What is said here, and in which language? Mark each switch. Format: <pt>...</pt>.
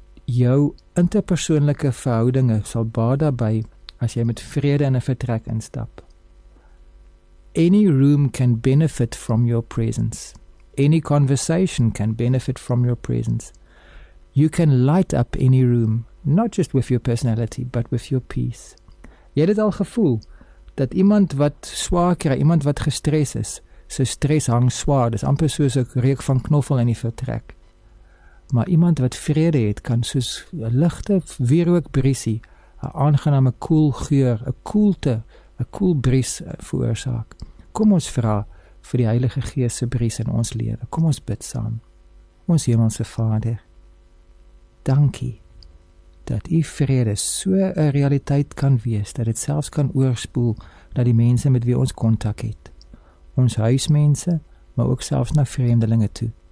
<af>jou interpersoonlike verhoudinge sal baat daarby as jy met vrede in 'n vertrek instap.</af> <en>Any room can benefit from your presence. Any conversation can benefit from your presence. You can light up any room, not just with your personality, but with your peace.</en> <af>Jy het al gevoel dat iemand wat swaar kry, iemand wat gestres is, sy stres hang swaar, dis amper soos 'n reuk van knoffel in die vertrek. Maar iemand wat vrede het, kan soos 'n ligte wierook briesie, 'n aangename koel geur, 'n koelte, 'n koel bries veroorsaak. Kom ons vra vir die Heilige Gees se bries in ons lewe. Kom ons bid saam. Ons Hemelse Vader, dankie dat u vrede so 'n realiteit kan wees, dat dit selfs kan oorspoel na die mense met wie ons kontak het. Ons huismense, maar ook selfs na vreemdelinge toe.</af>